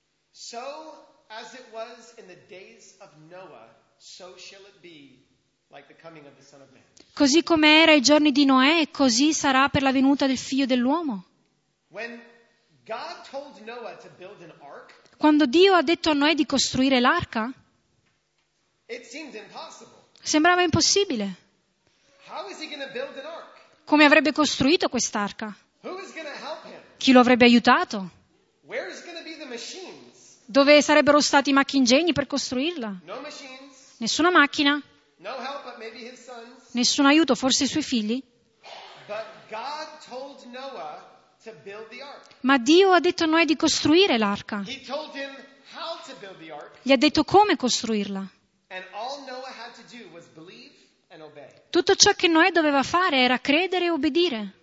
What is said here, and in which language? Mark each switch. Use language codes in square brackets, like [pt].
[en] so as it was in the days of Noah, so shall it be like the coming of the Son of Man. [it] Così come era ai giorni di Noè, così sarà per la venuta del Figlio dell'uomo. [en] When God told Noah to build an ark, [it] quando Dio ha detto a Noè di costruire l'arca, [en] it seemed impossible. [it] Sembrava impossibile. [en] How is he going to build an ark? [it] Come avrebbe costruito quest'arca? [en] Who is going to help him? [it] Chi lo avrebbe aiutato? [en] Where is going to be the machines? [it] Dove sarebbero stati i macchinegni per costruirla? [en] No machines, [it] nessuna macchina. [en] No help, but maybe his sons. [it] Nessun aiuto, forse i suoi figli. [en] But God told Noah to build the ark. [it] Ma Dio ha detto a Noè di costruire l'arca. [en] He told him how to build the ark. [it] Gli ha detto come costruirla. [en] And all Noah had to do was believe and obey. [it] Tutto ciò che Noè doveva fare era credere e obbedire.